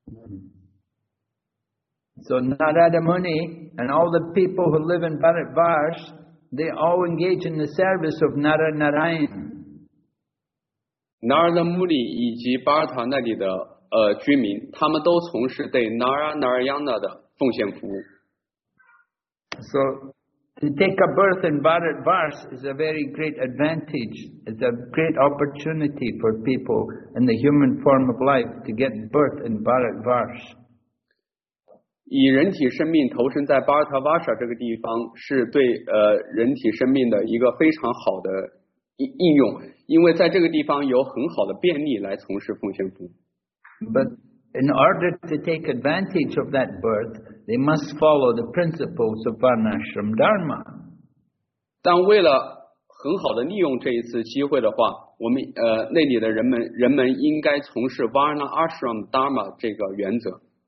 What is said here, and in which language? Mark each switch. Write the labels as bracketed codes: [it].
[zh] 他想把这个知识传递给巴尔塔瓦沙的所有居民，因为在巴尔塔瓦沙的这里的居民，他们都遵循瓦尔纳阿什这个规范原则。So [en] Narada Muni and all the people who live in Bharatvarsha, they all engage in the service of Naranarayan. [zh] Narada Muni 以及巴尔塔那里的居民，他们都从事对 Naranarayan 的奉献服务。 [en] So, to take a birth in Bharatvarsha is a very great advantage, it's a great opportunity for people in the human form of life to get birth in Bharatvarsha. [zh] 以人体生命投身在巴尔塔瓦沙这个地方，是对人体生命的一个非常好的应用，因为在这个地方有很好的便利来从事奉献服务。 [en] But in order to take advantage of that birth, they must follow the principles of Varnashram Dharma. [zh] 但为了很好的利用这一次机会的话，我们那里的人们应该从事 Varnashram Dharma 这个原则。